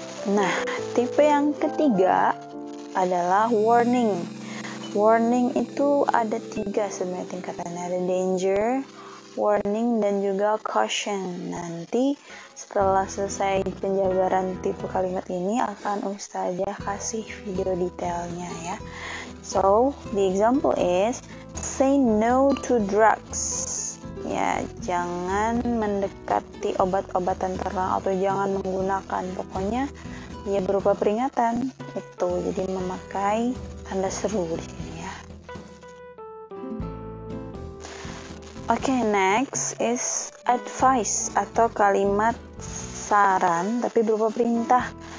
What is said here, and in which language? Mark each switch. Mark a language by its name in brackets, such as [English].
[Indonesian] Nah, tipe yang ketiga adalah warning. Warning itu ada 3 sebenarnya tingkatannya. Ada danger, warning, dan juga caution. Nanti setelah selesai penjabaran tipe kalimat ini, akan Ustazah kasih video detailnya ya. [English] So, the example is, say no to drugs. [Indonesian] Ya, jangan mendekati obat-obatan terlarang atau jangan menggunakan. Pokoknya, ya berupa peringatan itu, jadi memakai tanda seru di sini ya. [English] Okay, next is advice [Indonesian] atau kalimat saran tapi berupa perintah.